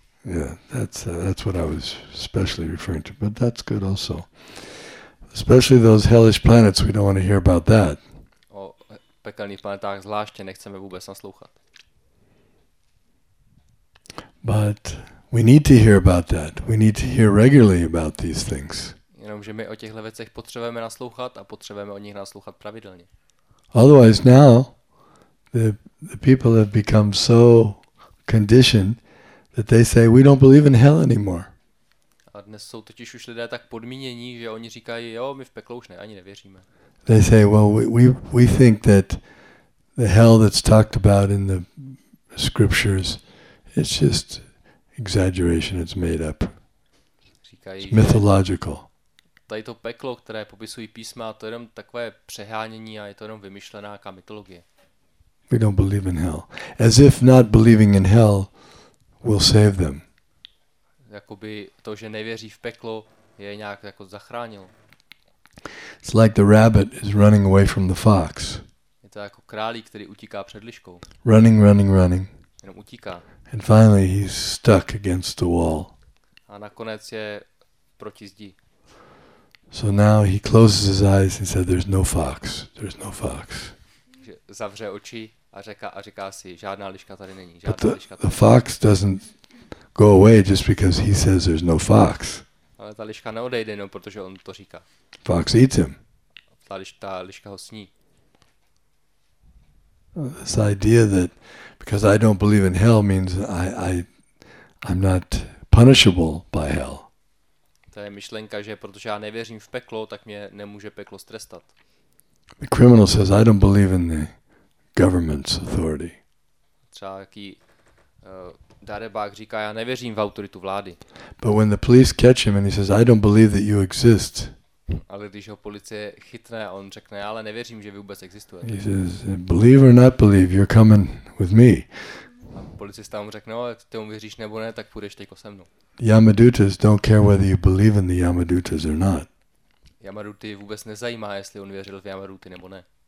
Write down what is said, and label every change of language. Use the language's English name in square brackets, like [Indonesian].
[English] Yeah, that's what I was especially referring to, but that's good also. Especially those hellish planets, we don't want to hear about that. [Czech] O pekelných planetách zvláště nechceme vůbec naslouchat. [English] But we need to hear about that. We need to hear regularly about these things. [Czech] Jenomže my o těchto věcech potřebujeme naslouchat a potřebujeme o nich naslouchat pravidelně. [English] Otherwise now the people have become so conditioned that they say we don't believe in hell anymore. [Czech] A dnes jsou totiž už lidé tak podmínění, že oni říkají, jo, my v peklo už ne, ani nevěříme. [English] They say, well, we think that the hell that's talked about in the scriptures, it's just exaggeration, it's made up. [Czech] Říkají, [English] it's mythological. [Czech] Tady to peklo, které popisují písma, to je jenom takové přehánění a je to jenom vymyšlená mytologie. [English] We don't believe in hell. As if not believing in hell will save them. [Czech] Jakoby to, že nevěří v peklo, je nějak jako zachránil. [English] It's like the rabbit is running away from the fox. [Czech] Je to jako králík, který utíká před liškou. [English] Running, running, running. [Czech] Jenom utíká. [English] And finally he's stuck against the wall. [Czech] A nakonec je proti zdi. [English] So now he closes his eyes and said, "There's no fox. There's no fox." [Czech] Zavře oči a říká si, žádná liška tady není. [English] But the fox doesn't go away just because he says there's no fox. [Czech] Ale ta liška neodejde, no, protože on to říká. [English] Fox eats him. [Czech] Ta liška ho sní. [English] This idea that because I don't believe in hell means I'm not punishable by hell. [Czech] To je myšlenka, že protože já nevěřím v peklo, tak mě nemůže peklo strestat. [English] The criminal says, "I don't believe in the government's authority." [Czech] Třeba jaký darebák říká, já nevěřím v autoritu vlády. [English] But when the police catch him and he says, "I don't believe that you exist." [Czech] Ale když ho policie chytne a on řekne, ale nevěřím, že vy vůbec existujete. [English] He says, "Believe or not believe, you're coming with me." [Czech] A policista mu řekne, no, ty mu věříš nebo ne, tak půjdeš teďko se mnou. [English] Yamadutas don't care whether you believe in the Yamadutas or not. [Czech] Yamaduty vůbec nezajímá, jestli on věřil v Yamaduty nebo ne.